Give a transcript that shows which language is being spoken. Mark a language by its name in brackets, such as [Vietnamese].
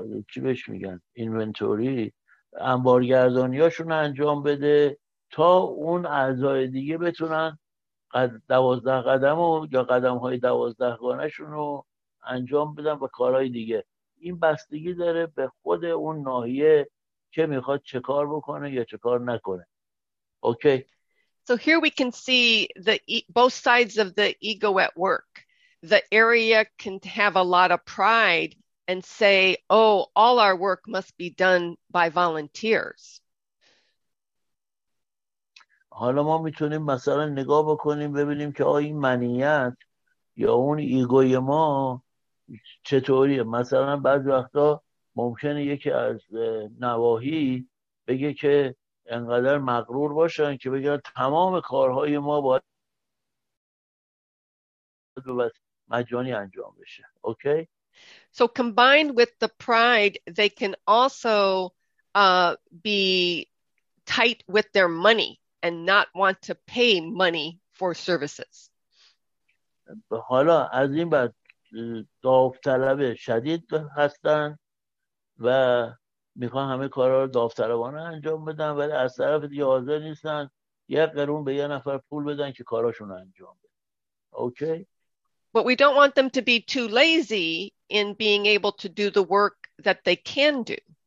[Persian] چی بهش میگن اینونتوری، انبارگردانیاشون رو انجام بده تا اون اعضای دیگه بتونن 12 قدم و یا قدم های 12 گانه شون رو انجام بدن و کارهای دیگه. این بستگی داره به خود اون ناحیه که میخواد چه کار بکنه یا چه کار نکنه. اوکی. [English] So here we can see the both sides of the ego at work. The area can have a lot of pride and say, oh, all our work must be done by volunteers. [Persian] حالا ما میتونیم مثلا نگاه بکنیم ببینیم که آه این منیت یا اون ایگوی ما چطوریه. مثلا بعضی وقتا ممکنه یکی از نواحی بگه که انقدر مغرور باشن که بگن تمام کارهای ما باید مجانی انجام بشه. اوکی؟ [English] So combined with the pride, they can also be tight with their money and not want to pay money for services. [Persian] حالا از این بعد داوطلب شدید هستن و میخوان همه کارا رو داوطلبانه انجام بدن، ولی از طرف دیگه حاضر نیستن یک قرون به یه نفر پول بدن که کاراشون رو انجام بده. اوکی؟ [English] But we don't want them to be too lazy in being able to do the work that they can do.